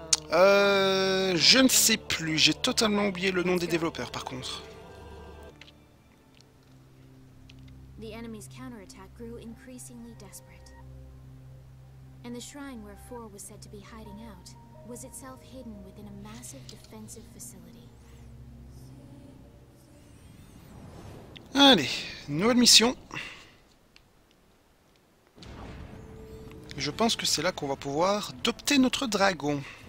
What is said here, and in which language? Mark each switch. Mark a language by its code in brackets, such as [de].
[fr] Je ne sais plus, j'ai totalement oublié le nom des développeurs par contre. [en] The enemy's counter-attack grew increasingly desperate. And the shrine where Four was said to be hiding out was itself hidden within a massive defensive facility. [fr] Allez, nouvelle mission. Je pense que c'est là qu'on va pouvoir dompter notre dragon.